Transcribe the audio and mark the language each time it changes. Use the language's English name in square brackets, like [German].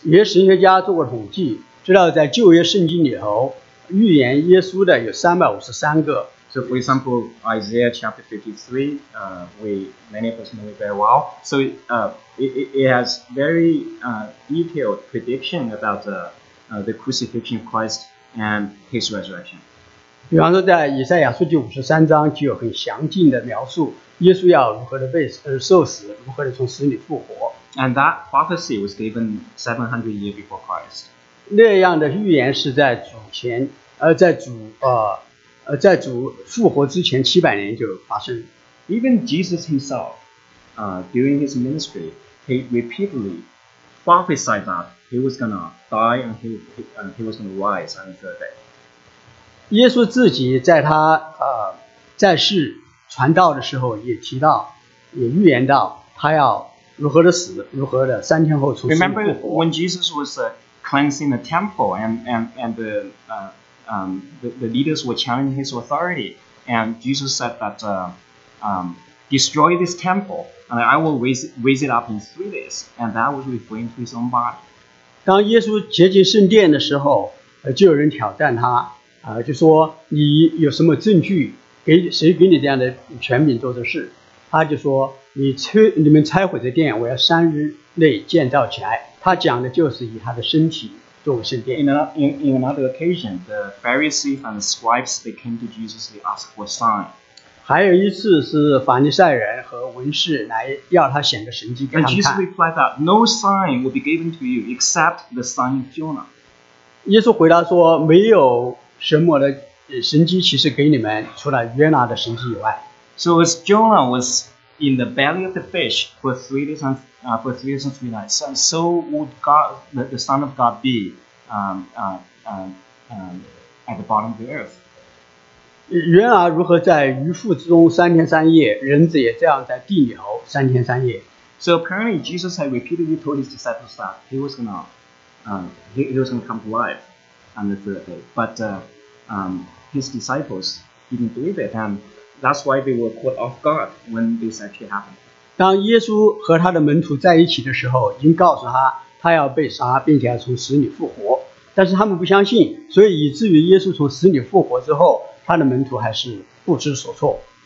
[Chinese] 有些神学家做过统计，知道在旧约圣经里头预言耶稣的有353个。 [English] So for example, Isaiah chapter 53, many of us know it very well. So it has very detailed prediction about the crucifixion of Christ and his resurrection. [Chinese] 比方说在以赛亚书第53章就有很详尽的描述耶稣要如何的被受死，如何的从死里复活。 [English] And that prophecy was given 700 years before Christ. [Chinese] 那样的预言是在主前，在主复活之前700年就发生。 [English] Even Jesus himself, during his ministry, he repeatedly prophesied that he was gonna die and he was gonna rise on the third day. [Chinese] 耶稣自己在他在世传道的时候也提到，也预言到他要如何的死，如何的三天后从死里复活。 [English] Remember when Jesus was cleansing the temple and the leaders were challenging his authority, and Jesus said that destroy this temple and I will raise it up in 3 days, and that was referring to his own body. [Chinese] 当耶稣洁净圣殿的时候，就有人挑战他，就说你有什么证据？给谁给你这样的权柄做的事？他就说：“你们拆毁的殿，我要三日内建造起来。” 他讲的就是以他的身体作为圣殿。 [English] In another occasion, the Pharisees and the scribes they came to Jesus to ask for a sign. [Chinese] 还有一次是法利赛人和文士来要他显个神迹给他们看。 [English] And Jesus replied that no sign will be given to you except the sign of Jonah. [Chinese] 耶稣回答说：“没有什么的神迹其实给你们，除了约拿的神迹以外。” [English] So as Jonah was in the belly of the fish for three days and three nights, and so would God, the Son of God, be at the bottom of the earth. [Chinese] 约拿如何在鱼腹之中三天三夜，人子也这样在地里头三天三夜。 [English] So apparently Jesus had repeatedly told his disciples that he was gonna he was gonna come to life on the third day, but his disciples didn't believe it, and that's why they were caught off guard when this actually happened. [Chinese] 当耶稣和他的门徒在一起的时候，已经告诉他他要被杀，并且要从死里复活。但是他们不相信，所以以至于耶稣从死里复活之后，他的门徒还是不知所措。